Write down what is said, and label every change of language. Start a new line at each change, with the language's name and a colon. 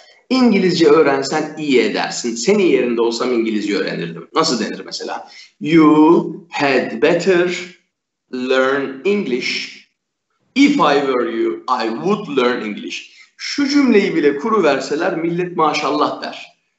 Turkish: İngilizce öğrensen iyi edersin. Senin yerinde olsam İngilizce öğrenirdim. Nasıl denir mesela?
English: You had better learn English. If I were you, I would learn English.
Turkish: Şu cümleyi bile kuruverseler millet maşallah der.